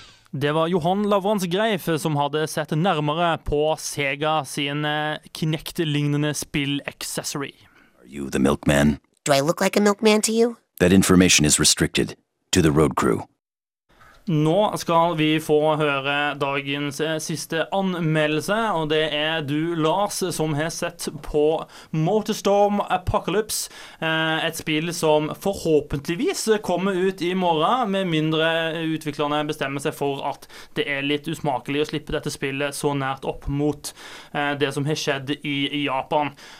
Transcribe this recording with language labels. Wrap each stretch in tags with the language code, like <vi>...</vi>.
<no>Det var Johan Lavrans Greif som hadde sett nærmere på Sega sin Kinect-lignende spill-accessory.</no> <en>Are you the milkman? Do I look like a milkman to you? That information is restricted to the road crew.</en> <no>Nå skal vi få høre dagens siste anmeldelse, og det du, Lars, som har sett på MotorStorm Apocalypse, et spill som forhåpentligvis kommer ut I morgen, med mindre utviklerne bestemmer seg for at det litt usmakelig å slippe dette spillet så nært opp mot det som har skjedd I Japan.</no>